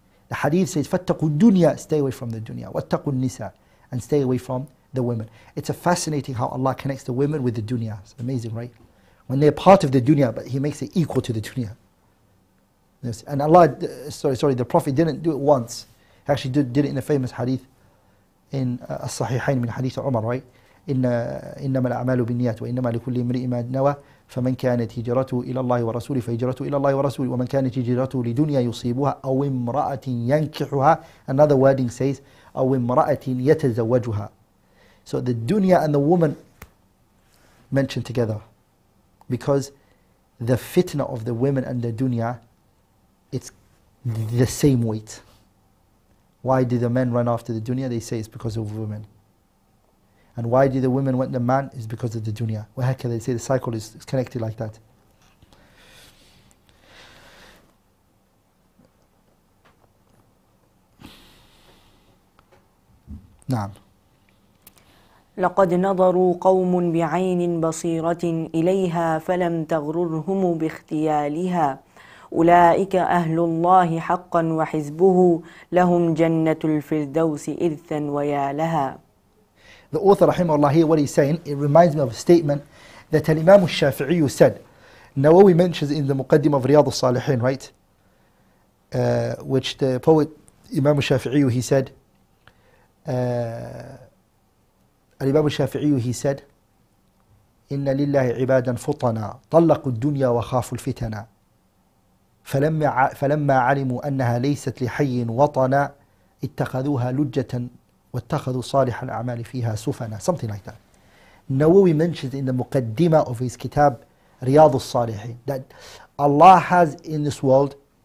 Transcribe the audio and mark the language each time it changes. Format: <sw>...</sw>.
<en>The hadith says</en> <ar>فَاتَّقُوا الدُّنْيَا,</ar> <en>stay away from the dunya,</en> <ar>وَاتَّقُوا النِّسَاءَ,</ar> <en>and stay away from the women. It's a fascinating how Allah connects the women with the dunya. It's amazing, right? When they're part of the dunya, but He makes it equal to the dunya. Yes. And Allah, the Prophet didn't do it once. He actually did it in a famous hadith in as-sahihain min hadith Umar, right?</en> <ar>إنما الأعمال بالنيات وإنما لكل امرئ ما نوى فمن كانت هجرته إلى الله ورسوله فهجرته إلى الله ورسوله ومن كانت هجرته لدنيا يصيبها أو امرأة ينكحها.</ar> <en>Another wording says</en> <ar>أو امرأة يتزوجها.</ar> <en>So the dunya and the woman mentioned together, because the fitna of the women and the dunya, it's the same weight. Why do the men run after the dunya? They say it's because of women. And why do the women want the man? It's because of the dunya. وَهَكَذَا, they say the cycle is connected like that.</en> <ar>نعم. لَقَدْ نَظَرُوا قَوْمٌ بِعَيْنٍ بَصِيرَةٍ إِلَيْهَا فَلَمْ تَغْرُرْهُمُ بِاخْتِيَالِهَا أولئك أهل الله حقا وحزبه لهم جنة الفردوس إرثا ويا لها.</ar> <en>The author رحمه الله, here what he's saying, it reminds me of a statement that Imam al-Shafi'i said. Nawawi mentions in the Muqaddim of Riyadh al-Salihin, right? Which the poet Imam al-Shafi'i, he said,</en> <ar>Imam al-Shafi'i, he said, إن لله عبادا فطنا طلقوا الدنيا وخافوا الفتنا فلما علموا أنها ليست لحي وطنا اتخذوها لجة واتخذوا صالح الأعمال فيها سفنا.</ar> <en>Something like that. Nawawi mentions in the Muqaddima of his kitab Riyadh al-Salihin that Allah has in this world</en>